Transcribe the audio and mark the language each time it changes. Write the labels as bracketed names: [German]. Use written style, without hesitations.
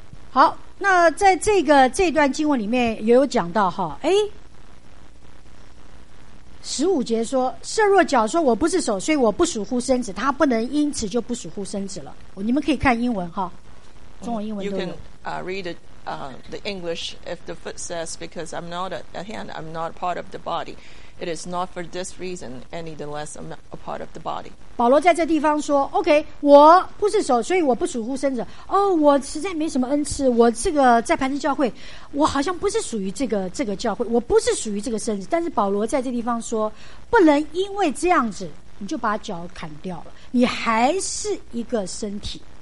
[Chinese] 好，那在这段经文里面也有讲到哈，哎。十五节说，设若脚说我不是手，所以我不属乎身子，他不能因此就不属乎身子了。你们可以看英文哈，中文英文都有。 [English] You can read the English. If the foot says, because I'm not a hand, I'm not part of the body, it is not for this reason any the less I'm a part of the body. [Chinese] 保罗在这地方说 OK, 我不是手，所以我不属乎身子。哦，我实在没什么恩赐，我这个在磐石教会我好像不是属于这个教会，我不是属于这个身子。但是保罗在这地方说，不能因为这样子你就把脚砍掉了，你还是一个身体。